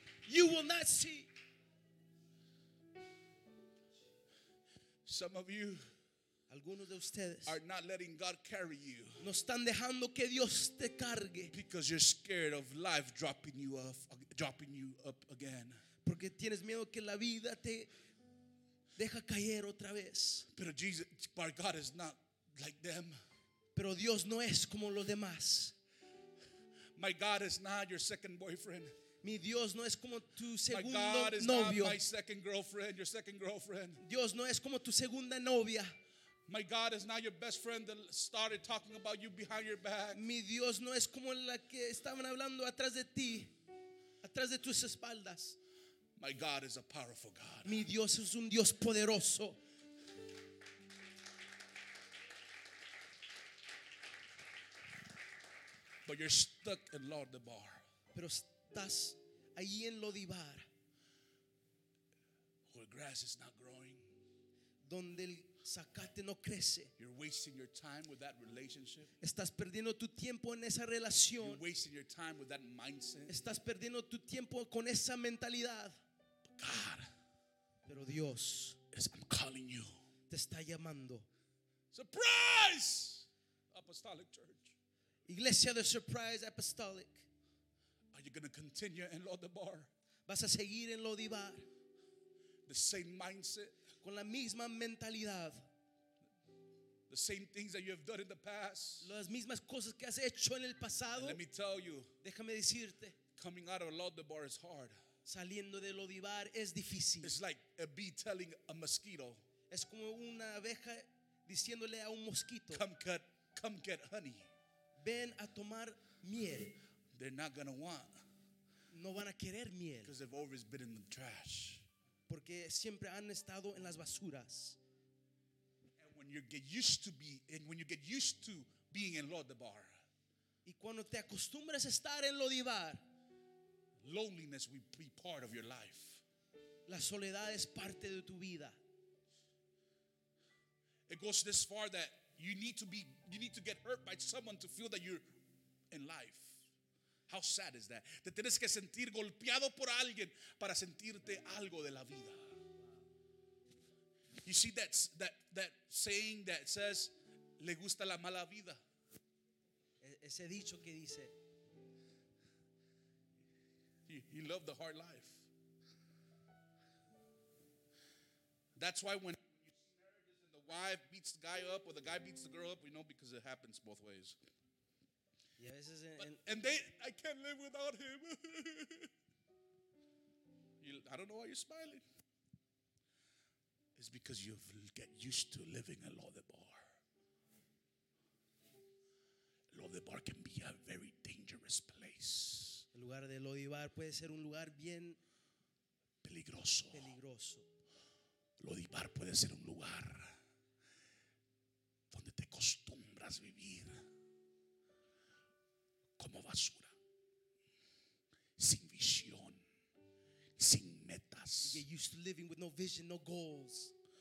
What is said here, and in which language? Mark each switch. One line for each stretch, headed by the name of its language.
English: You will not see. Some of you.
Spanish: Algunos de ustedes
English: are not letting God carry you.
Spanish: No están dejando que Dios te cargue.
English: Because you're scared of life dropping you up again.
Spanish: Porque tienes miedo que la vida te deja caer otra vez. Pero Jesus,
English: but God is not like them.
Spanish: Pero Dios no es como los demás.
English: My God is not your second boyfriend.
Spanish: Mi Dios no es como tu segundo novio.
English: My second girlfriend, your second girlfriend.
Spanish: Dios no es como tu segunda novia.
English: My God is not your best friend that started talking about you behind your back.
Spanish: Mi Dios no es como la que estaban hablando atrás de ti, atrás de tus espaldas.
English: My God is a powerful God.
Spanish: Mi Dios es un Dios poderoso.
English: But you're stuck in Lodebar.
Spanish: Pero estás allí en Lodebar.
English: Where grass is not growing.
Spanish: Donde el Zacate no crece.
English: You're wasting your time with that relationship.
Spanish: Estás perdiendo tu tiempo en esa relación.
English: You're wasting your time with that mindset.
Spanish: Estás perdiendo tu tiempo con esa mentalidad.
English: But God,
Spanish: pero Dios,
English: yes, I'm calling you.
Spanish: Te está llamando.
English: Surprise! Apostolic Church.
Spanish: Iglesia de Surprise Apostolic.
English: Are you going to continue in Lodebar?
Spanish: Vas a seguir en Lodebar.
English: The same mindset.
Spanish: Con la misma mentalidad.
English: The same things that you have done in the past.
Spanish: Las mismas cosas que has hecho en el pasado.
English: And let me tell you.
Spanish: Déjame decirte.
English: Coming out of Lodebar is hard.
Spanish: Saliendo de Lodebar es difícil.
English: It's like a bee telling a mosquito.
Spanish: Es como una abeja diciéndole a un mosquito.
English: Come get honey.
Spanish: Ven a tomar miel.
English: They're not gonna want.
Spanish: No van a querer miel.
English: Because they've always been in the trash.
Spanish: Porque siempre han estado en las basuras.
English: And when you get used to being in Lodebar.
Spanish: Y cuando te acostumbras a estar en Lodebar.
English: Loneliness will be part of your life.
Spanish: La soledad es parte de tu vida.
English: It goes this far that you need to get hurt by someone to feel that you're in life. How sad is that?
Spanish: Te tienes que sentir golpeado por alguien para sentirte algo de la vida.
English: You see that saying that says,
Spanish: le gusta la mala vida. Ese dicho que dice,
English: he loved the hard life. That's why when you see marriages and the wife beats the guy up or the guy beats the girl up, we know because it happens both ways. Yeah, this is I can't live without him. I don't know why you're smiling. It's because you get used to living a Lodebar. Lodebar can be a very dangerous place.
Spanish: El lugar de Lodebar puede ser un lugar bien peligroso. Peligroso. Lodebar puede ser un lugar donde te acostumbras a vivir como basura, sin visión, sin metas.
English: You get used to living with no vision, no goals.